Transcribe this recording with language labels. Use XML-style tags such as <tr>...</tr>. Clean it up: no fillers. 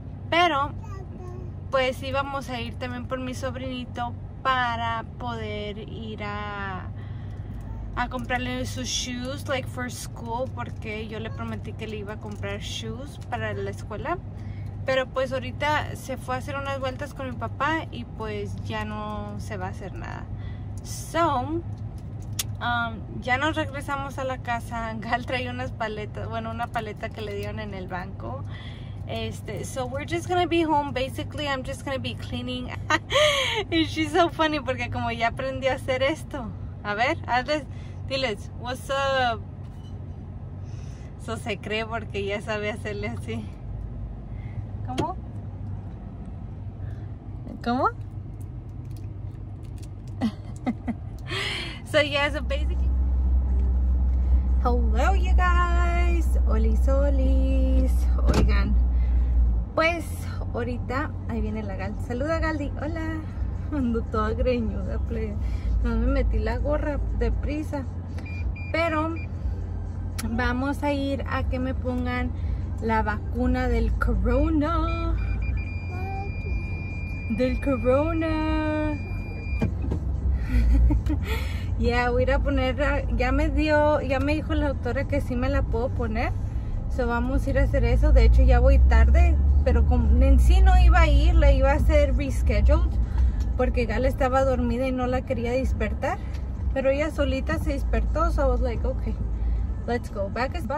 <es>Pero pues íbamos a ir también por mi sobrinito para poder ir a comprarle sus</es> <en>shoes, like for school,</en> <es>porque yo le prometí que le iba a comprar</es> <en>shoes</en> <es>para la escuela. Pero pues ahorita se fue a hacer unas vueltas con mi papá y pues ya no se va a hacer nada. So, ya nos regresamos a la casa. Gal trae unas paletas, bueno, una paleta que le dieron en el banco.</es> <en>So we're just gonna be home. Basically, I'm just gonna be cleaning. And she's so funny</en> <es>porque como ya aprendí a hacer esto. A ver, hazles, diles,</es> <en>what's up?</en> <es>So se cree porque ya sabe hacerle así. ¿Cómo?</es> <en>So yeah, so basically, hello you guys, olis olis.</en> <es>Oigan, pues ahorita, ahí viene la Gal. Saluda Galdi, hola. Ando toda greñuda, no me metí la gorra deprisa. Pero vamos a ir a que me pongan la vacuna del corona. Del corona. Ya, yeah, voy a ir a poner. Ya me dijo la doctora que sí me la puedo poner. So vamos a ir a hacer eso. De hecho, ya voy tarde. Pero en sí no iba a ir. La iba a hacer rescheduled. Porque Gal estaba dormida y no la quería despertar. Pero ella solita se despertó.</es> <en>So I was like, okay, let's go back.</en>